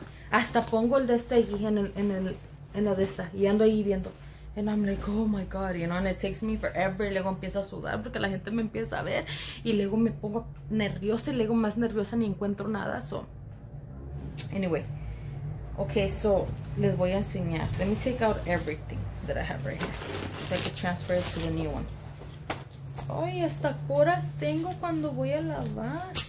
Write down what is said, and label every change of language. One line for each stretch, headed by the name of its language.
Spanish: Hasta pongo el de esta y en la de esta. Y ando ahí viendo.
English: And I'm like, oh my God, you know, and it takes me forever.
Spanish: Y luego empiezo a sudar porque la gente me empieza a ver. Y luego me pongo nerviosa y luego más nerviosa ni encuentro nada.
English: So, anyway. Okay, so,
Spanish: les voy a enseñar.
English: Let me take out everything that I have right here. So I can transfer it to the new one.
Spanish: Ay, hasta coras tengo cuando voy a lavar.